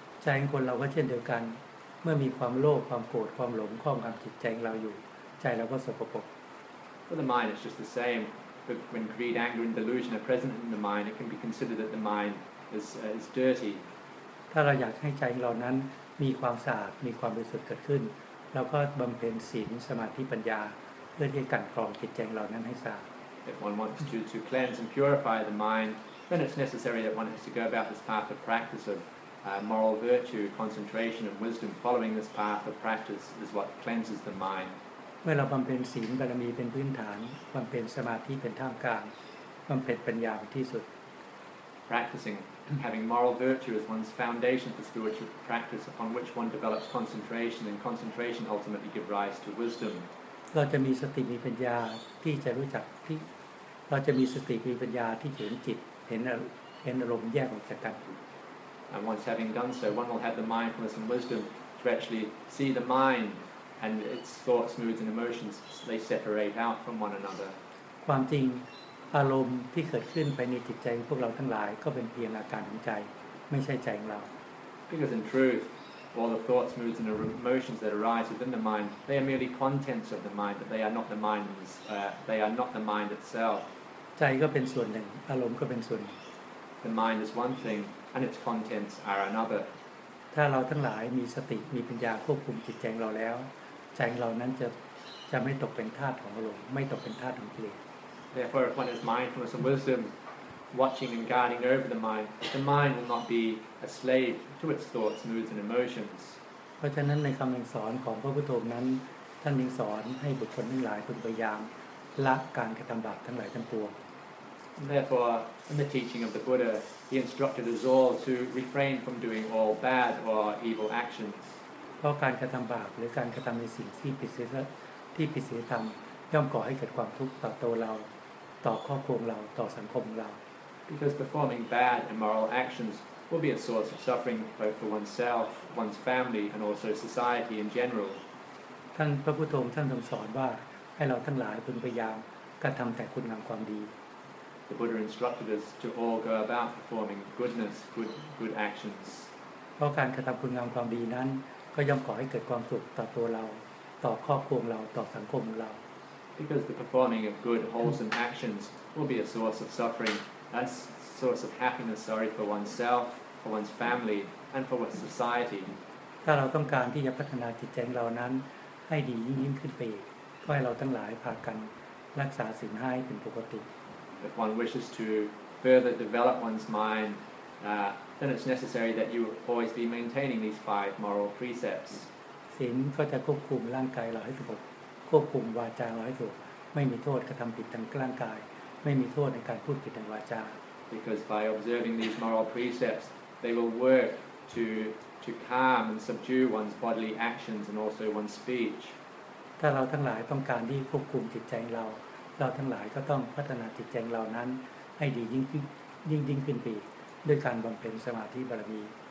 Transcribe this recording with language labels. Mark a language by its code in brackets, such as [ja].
[th] ใจของคนเราก็เช่นเดียวกันเมื่อมีความโลภความโกรธความหลงครอบงำจิตใจเราอยู่ใจเราก็สกปรก [en] For the mind it's just the sameBut when greed, anger, and delusion are present in the mind, it can be considered that the mind is dirty. [th] ถ้าเราอยากให้ใจของเรานั้นมีความสะอาดมีความบริสุทธิ์เกิดขึ้นเราก็บำเพ็ญศีลสมาธิปัญญาเพื่อที่จะกันกรองจิตใจของเรานั้นให้สะอาด [en] If one wants to cleanse and purify the mind, then it's necessary that one has to go about this path of practice of moral virtue, concentration, and wisdom. Following this path of practice is what cleanses the mind. [th] เมื่อเราบำเพ็ญศีลบารมีเป็นพื้นฐานบำเพ็ญสมาธิเป็นท่ามกลางบำเพ็ญปัญญาเป็นที่สุด [en] Practicing having moral virtue is one's foundation for spiritual practice upon which one develops concentration and concentration ultimately give rise to wisdom [th] เราจะมีสติมีปัญญาที่จะรู้จักที่เราจะมีสติมีปัญญาที่เห็นจิตเห็นอารมณ์แยกออกจากกัน [en] And once having done so one will have the mindfulness and wisdom to actually see the mindAnd its thoughts, moods, and emotions, they separate out from one another. [th] ความจริงอารมณ์ที่เกิดขึ้นภายในจิตใจของพวกเราทั้งหลายก็เป็นเพียงอาการของใจไม่ใช่ใจของเรา [en] Because in truth, all the thoughts, moods, and emotions that arise within the mind, they are merely contents of the mind, but they are not the mind. They are not the mind itself. [th] ใจก็เป็นส่วนหนึ่ง อารมณ์ก็เป็นส่วนหนึ่ง [en] The mind is one thing, and its contents are another. [th] ถ้าเราทั้งหลายมีสติมีปัญญาควบคุมจิตใจเราแล้วใจเรานั้นจะไม่ตกเป็นทาสของอารมณ์ไม่ตกเป็นทาสของกิเลส [en] Therefore, if one has mindfulness and wisdom, watching and guarding over the mind will not be a slave to its thoughts, moods, and emotions. [th] เพราะฉะนั้นในคำสอนของพระพุทธองค์นั้นท่านสอนให้บุคคลทั้งหลายพึงพยายามละการกระทำบาปทั้งหลายทั้งปวง [en] Therefore, in the teaching of the Buddha, he instructed us all to refrain from doing all bad or evil actions. [th] เพราะการกระทำบาปหรือการกระทำในสิ่งที่ผิดศีลที่ผิดศีลธรรมย่อมก่อให้เกิดความทุกข์ต่อตัวเราต่อครอบครัวเราต่อสังคมเรา [en] Because performing bad and immoral actions will be a source of suffering both for oneself, one's family, and also society in general. [th] ท่านพระพุทธองค์ท่านทรงสอนว่าให้เราทั้งหลายพึงพยายามกระทำแต่คุณงามความดี [en] The Buddha instructed us to all go about performing goodness, good actions. [th] เพราะการกระทำคุณงามความดีนั้นก็ย่อมก่อให้เกิดความสุขต่อตัวเราต่อครอบครัวเราต่อสังคมเรา [en] Because the performing of good wholesome actions will be a source of suffering, a source of happiness, sorry, for oneself, for one's family, and for one's society. [th] ถ้าเราต้องการที่จะพัฒนาจิตใจเรานั้นให้ดียิ่งขึ้นไปก็ให้เราทั้งหลายพากันรักษาศีลให้เป็นปกติ [en] If one wishes to further develop one's mind, then it's necessary that you always be maintaining these five moral precepts. [th] ศีลก็จะควบคุมร่างกายเราให้สงบควบคุมวาจาเราให้ถูกไม่มีโทษกระทำผิดทางร่างกายไม่มีโทษในการพูดผิดทางวาจา [en] Because by observing these moral precepts, they will work to calm and subdue one's bodily actions and also one's speech. [th] ถ้าเราทั้งหลายต้องการที่ควบคุมจิตใจเราเราทั้งหลายก็ต้องพัฒนาจิตใจเรานั้นให้ดียิ่งขึ้นไปด้วยการบำเพ็ญสมาธิบารมี